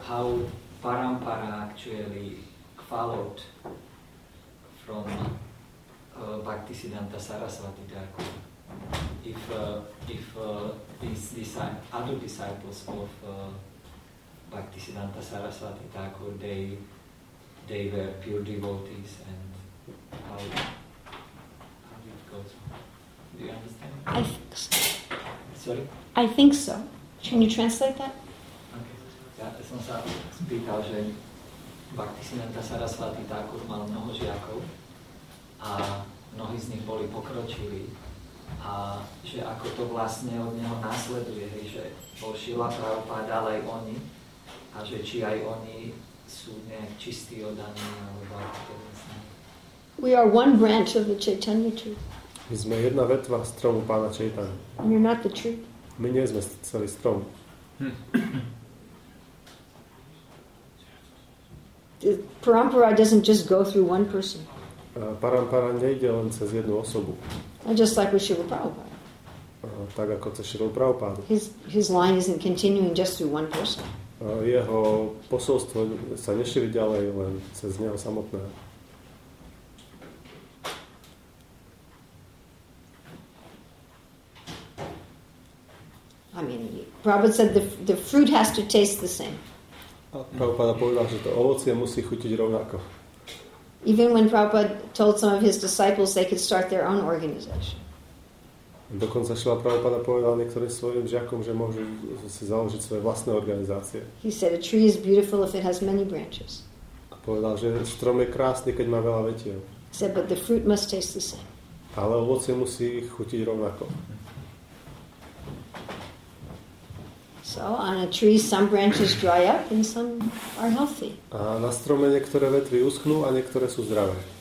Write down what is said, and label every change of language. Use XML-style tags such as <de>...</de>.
<en>How parampara actually followed from Bhaktisiddhanta Saraswati Thakur if these other disciples of Bhaktisiddhanta Saraswati Thakur they were pure devotees and how do you understand? I think so. Can you translate that? Okay.</en> <sk>Ja som sa spýtal, že Bhaktisiddhanta Saraswati Thakur mal mnoho žiakov a mnohí z nich boli pokročili a že ako to vlastne od neho nasleduje, hej, že bol Srila Prabhupada, ale aj oni a že či aj oni sú nejak čistí oddaní alebo ako to vlastne.</sk> <en>We are one branch of the Chaitanya tree.</en> <sk>My sme jedna vetva stromu pána Čaitanja.</sk> <en>You're not the tree.</en> <sk>My nie sme celý strom.</sk> <en>Parampara doesn't just go through one person.</en> <sk>Parampara nejde len cez jednu osobu.</sk> <en>And just like with Srila Prabhupada.</en> <sk>Tak ako cez Srila Prabhupada.</sk> <en>His line isn't continuing just through one person.</en> <sk>Jeho posolstvo sa nešíri ďalej len cez neho samotného.</sk> <en>I mean, Prabhupada said the fruit has to taste the same.</en> <sk>Prabhupada povedal, že to ovocie musí chutiť rovnako.</sk> <en>Even when Prabhupada told some of his disciples they could start their own organization.</en> <sk>Dokonca Srila Prabhupada povedal niektorým svojim žiakom, že môžu si založiť svoje vlastné organizácie.</sk> <en>He said a tree is beautiful if it has many branches.</en> <sk>A povedal, že strom je krásny, keď má veľa vetiev.</sk> <en>He said, but the fruit must taste the same.</en> <sk>Ale ovocie musí chutiť rovnako.</sk> <en>So on a tree some branches dry up and some are healthy.</en> <sk>A na strome niektoré vetvy uschnú a niektoré sú zdravé.</sk>